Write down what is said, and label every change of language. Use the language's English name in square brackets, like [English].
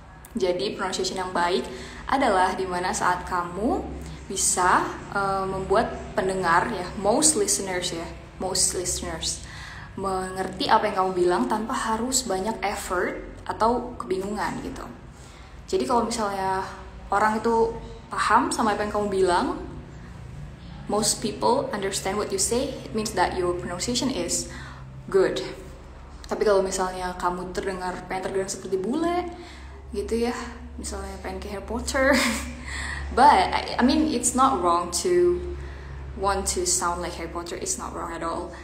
[Indonesian] Jadi pronunciation yang baik adalah di mana saat kamu bisa membuat pendengar ya, [English] most listeners [Indonesian] mengerti apa yang kamu bilang tanpa harus banyak effort atau kebingungan gitu. Jadi kalau misalnya orang itu paham sama apa yang kamu bilang, [English] most people understand what you say, it means that your pronunciation is good. [Indonesian] Tapi kalau misalnya kamu terdengar pengen terdengar seperti bule gitu ya, misalnya pengen ke Harry Potter. [English] But I mean it's not wrong to want to sound like Harry Potter, it's not wrong at all.